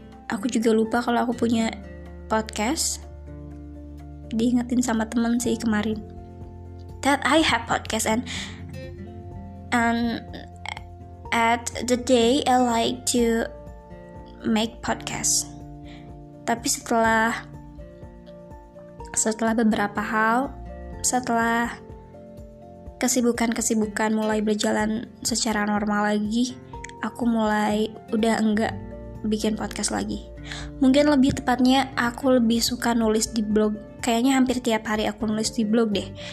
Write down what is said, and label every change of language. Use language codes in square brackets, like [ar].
[id] Aku juga lupa kalau aku punya podcast. Diingetin sama temen sih kemarin [en] that I have podcast and at the day I like to make podcast. [id] Tapi setelah beberapa hal, setelah kesibukan-kesibukan mulai berjalan secara normal lagi, aku mulai udah enggak bikin podcast lagi. Mungkin lebih tepatnya aku lebih suka nulis di blog. Kayaknya hampir tiap hari aku nulis di blog deh.